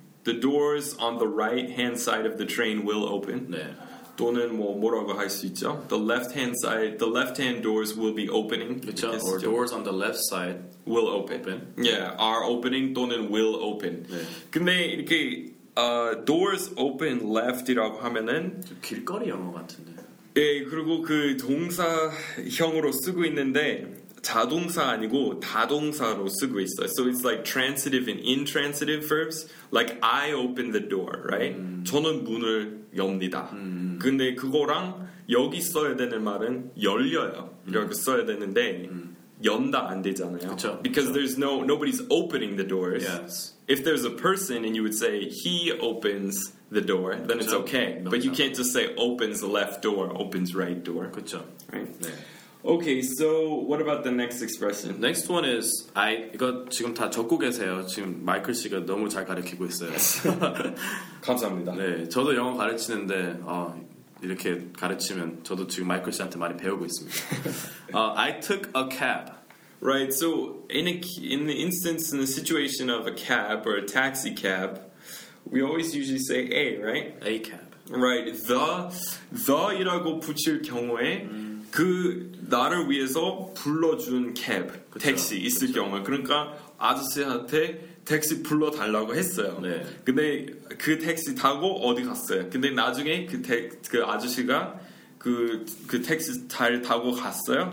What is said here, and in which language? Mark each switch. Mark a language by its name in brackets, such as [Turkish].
[English] The doors on the right-hand side of the train will open. [Korean] 네. 또는 뭐 뭐라고 할 수 있죠? [English] The left-hand side, the left-hand doors will be opening. [Korean] 그쵸? [English] Or doors on the left side will open. Yeah, are opening 또는 will open. [Korean] 네. 근데 이렇게 [English] doors open left [Korean] 이라고 하면은 길거리 영어 같은데. 예, 그리고 그 동사형으로 쓰고 있는데 자동사 아니고 다동사로 쓰고 있어요. [English] So it's like transitive and intransitive verbs. Like I open the door, right? [Korean] 저는 문을 엽니다. 근데 그거랑 여기 써야 되는 말은 열려요. 이렇게 써야 되는데 연다 안 되잖아요. 그쵸, [English] Because [Korean] 그쵸. [English] There's no nobody's opening the doors. Yes. If there's a person and you would say he opens the door, then [Korean] 그쵸. [English] It's okay. [Korean] 맞아. [English] But you can't just say opens the left door, opens right door. [Korean] 그렇죠. [English] Right. 네. Okay, so what about the next expression? Next one is I [Korean] 이거 지금 다 적고 계세요. 지금 마이클 씨가 너무 잘 가르치고 있어요. 감사합니다. 네, 저도 영어 가르치는데 이렇게 가르치면 저도 지금 마이클 씨한테 많이 배우고 있습니다. [English] I took a cab. Right. So in the instance in the situation of a cab or a taxi cab, we always usually say a, right? A cab. Right. [Korean] The이라고 붙일 경우에 그 나를 위해서 불러준 캡, 그쵸, 택시 있을 그쵸. 경우에 그러니까 아저씨한테 택시 불러달라고 했어요. 네. 근데 그 택시 타고 어디 갔어요? 근데 나중에 그 아저씨가 그 택시 잘 타고 갔어요?